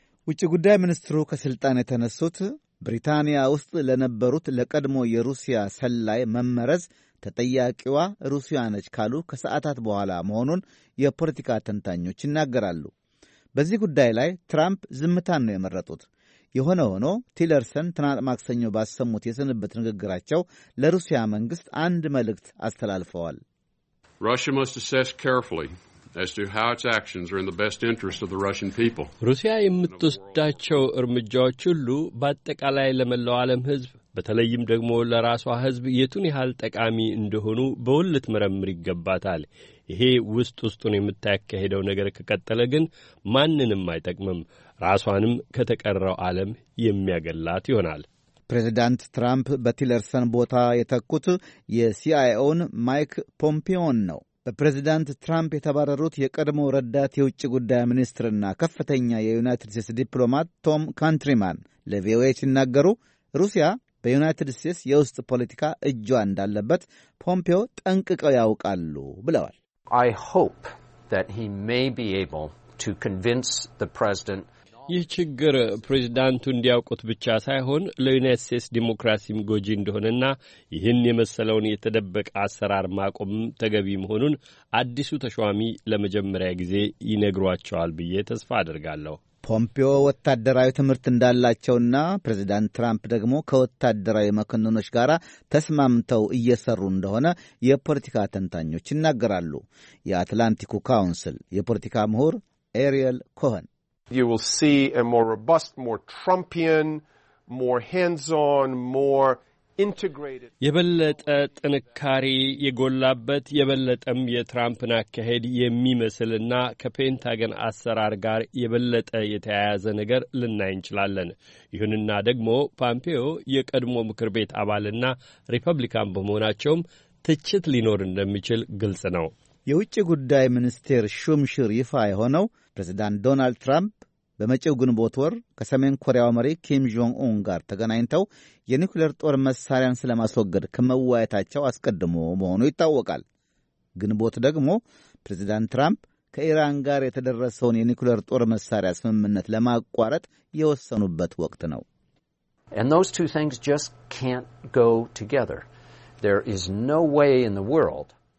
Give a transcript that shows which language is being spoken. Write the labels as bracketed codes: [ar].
[am] ውጭ ጉዳይ ሚኒስትሩ ከስልጣን የተነሱት ብሪታንያ ውስጥ ለነበሩት ለቀድሞ የሩሲያ ሰላይ መመረዝ ተጠያቂዋ ሩሲያ ነች ካሉ ከሰዓታት በኋላ መሆኑን የፖለቲካ ተንታኞች ይናገራሉ። በዚህ ጉዳይ ላይ ትራምፕ ዝምታን ነው የመረጡት። የሆነ ሆኖ ቲለርሰን ትናንት ማክሰኞ ባሰሙት የስንብት ንግግራቸው ለሩሲያ መንግሥት አንድ መልእክት አስተላልፈዋል። [en] ሩሲያ must assess carefully as to how its actions are in the best interest of the Russian people. [am] ሩሲያ የምትወስዳቸው እርምጃዎች ሁሉ በአጠቃላይ ለመላው ዓለም ሕዝብ በተለይም ደግሞ ለራሷ ሕዝብ የቱን ያህል ጠቃሚ እንደሆኑ በውል ልትመረምር ይገባታል። ይሄ ውስጥ ውስጡን የምታካሄደው ነገር ከቀጠለ ግን ማንንም አይጠቅምም፣ ራሷንም ከተቀረው ዓለም የሚያገላት ይሆናል። ፕሬዚዳንት ትራምፕ በቲለርሰን ቦታ የተኩት የሲአይኦን ማይክ ፖምፒዮን ነው። በፕሬዚዳንት ትራምፕ የተባረሩት የቀድሞ ረዳት የውጭ ጉዳይ ሚኒስትርና ከፍተኛ የዩናይትድ ስቴትስ ዲፕሎማት ቶም ካንትሪማን ለቪኦኤ ሲናገሩ ሩሲያ በዩናይትድ ስቴትስ የውስጥ ፖለቲካ እጇ እንዳለበት ፖምፒዮ ጠንቅቀው ያውቃሉ ብለዋል። [en] I hope that he may be able to convince the president. [am] ይህ ችግር ፕሬዚዳንቱ እንዲያውቁት ብቻ ሳይሆን ለዩናይትድ ስቴትስ ዲሞክራሲም ጎጂ እንደሆነና ይህን የመሰለውን የተደበቀ አሰራር ማቆም ተገቢ መሆኑን አዲሱ ተሿሚ ለመጀመሪያ ጊዜ ይነግሯቸዋል ብዬ ተስፋ አድርጋለሁ። ፖምፒዮ ወታደራዊ ትምህርት እንዳላቸውና ፕሬዚዳንት ትራምፕ ደግሞ ከወታደራዊ መኮንኖች ጋር ተስማምተው እየሰሩ እንደሆነ የፖለቲካ ተንታኞች ይናገራሉ። የአትላንቲኩ ካውንስል የፖለቲካ ምሁር ኤሪየል ኮሆን [en] You will see a more robust, more Trumpian, more hands-on, more integrated. [am] የበለጠ ጥንካሬ የጎላበት የበለጠም የትራምፕን አካሄድ የሚመስልና ከፔንታገን አሰራር ጋር የበለጠ የተያያዘ ነገር ልናይ እንችላለን። ይሁንና ደግሞ ፓምፒዮ የቀድሞ ምክር ቤት አባልና ሪፐብሊካን በመሆናቸውም ትችት ሊኖር እንደሚችል ግልጽ ነው። የውጭ ጉዳይ ሚኒስቴር ሹምሽር ይፋ የሆነው ፕሬዚዳንት ዶናልድ ትራምፕ በመጪው ግንቦት ወር ከሰሜን ኮሪያው መሪ ኪም ጆንግ ኡን ጋር ተገናኝተው የኒውክሌር ጦር መሳሪያን ስለማስወገድ ከመወያየታቸው አስቀድሞ መሆኑ ይታወቃል። ግንቦት ደግሞ ፕሬዚዳንት ትራምፕ ከኢራን ጋር የተደረሰውን የኒውክሌር ጦር መሳሪያ ስምምነት ለማቋረጥ የወሰኑበት ወቅት ነው። [en] And those two things just can't go together. There is no way in the world